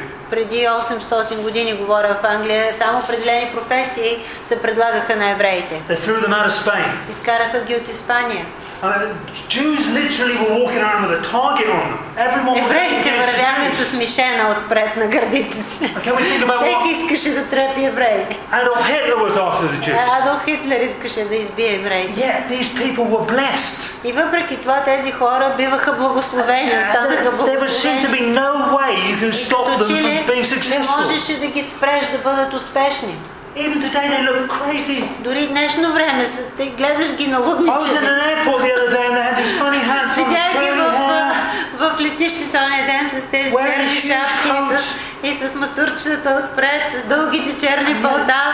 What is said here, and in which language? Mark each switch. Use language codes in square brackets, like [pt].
[bg] Преди 800 години, говоря в Англия, само определени професии се предлагаха на евреите. [en] They threw them out of Spain. [bg] Изкараха ги от Испания. [en] Jews literally were walking around with a target on them. Everyone was afraid. [bg] Евреите вървяха с мишена отпред на гърдите си. Всеки искаше да трепи евреи. [en] Adolf Hitler was after the Jews. [bg] Adolf Hitler искаше да избие евреите. [en] Yet these people were blessed. [bg] И въпреки това тези хора биваха благословени, станаха благословени. [en] There seemed to be no way you can stop them from being successful. [bg] Не можеше да ги спреш да бъдат успешни. [en] Even today they look crazy. [bg] Дори днешно време са, те гледаш ги на лудници. [en] I was in an airport the other day and they had these funny hats on. [bg] Видях ги в летището на ден с тези черни шапки и с масурчетата отпред, с дългите черни пълта.